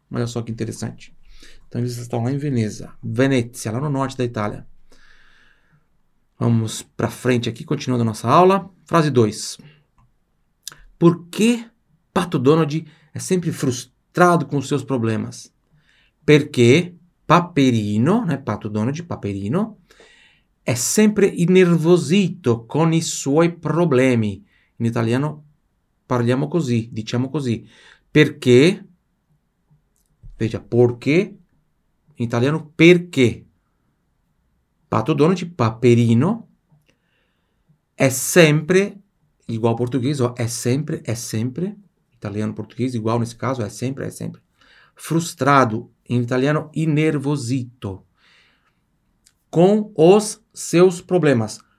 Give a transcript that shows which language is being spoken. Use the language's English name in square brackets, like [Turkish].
[Portuguese] Olha só que interessante. Então eles estão lá em Veneza. Venezia, lá no norte da Itália. Vamos para frente aqui, continuando a nossa aula. Frase 2. Por que Pato Donald é sempre frustrado com os seus problemas? Porque Paperino, né? [Italian] Pato Donald, Paperino, é sempre innervosito con i suoi problemi. In italiano parliamo così, diciamo così. Perché? [Portuguese] Veja, porque, em italiano, perché. Pato Donald, Paperino, é sempre, igual ao português, ó, é sempre, italiano, português, igual nesse caso, é sempre, frustrado, em italiano, innervosito, com os seus problemas.